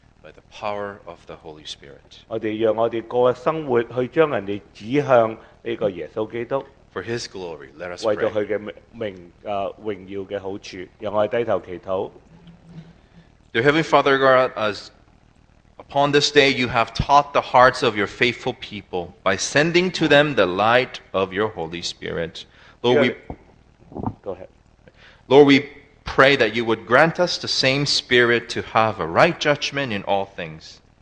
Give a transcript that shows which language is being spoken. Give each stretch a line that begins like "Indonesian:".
English: By the power of the Holy Spirit.
Chinese: 我们让我们过的生活去将人家指向这个耶稣基督。
English: For his glory, let us pray.
Chinese: 为了他的名荣耀的好处，让我们低头祈祷。
English: Dear Heavenly Father God, as upon this day you have taught the hearts of your faithful people by sending to them the light of your Holy Spirit. Lord, we... Go ahead. Lord, we... Pray that you would grant us the same spirit to have a right judgment in all things.